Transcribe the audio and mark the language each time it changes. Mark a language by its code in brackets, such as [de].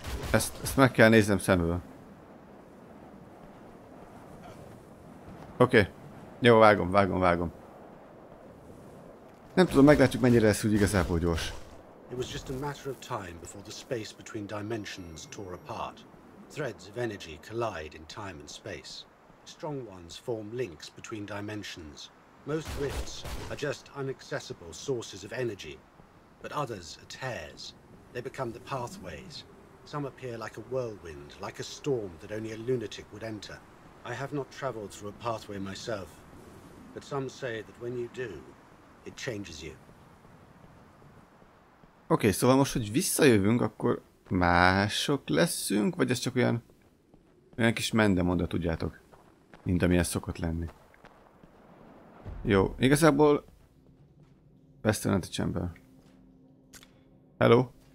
[hu] Ezt meg kell néznem szemből. Oké. Okay. Jó, vágom. Nem tudom, meglátjuk mennyire lesz úgy igazából gyors. [en] It was just a matter of time before the space between dimensions tore apart. Threads of energy collide in time and space. Strong ones form links between dimensions. Most rifts are just inaccessible sources of energy, but others are tears. They become the pathways. Some appear like a whirlwind, like a storm that only a lunatic would enter. I have not traveled through a pathway myself, but some say that when you do, it changes you. [hu] Oké, okay, szóval most, hogy visszajövünk, akkor mások leszünk, vagy ez csak olyan kis mendemonda, tudjátok, mint amilyen szokott lenni. Jó, igazából... [en] Western at the Chamber. Hello?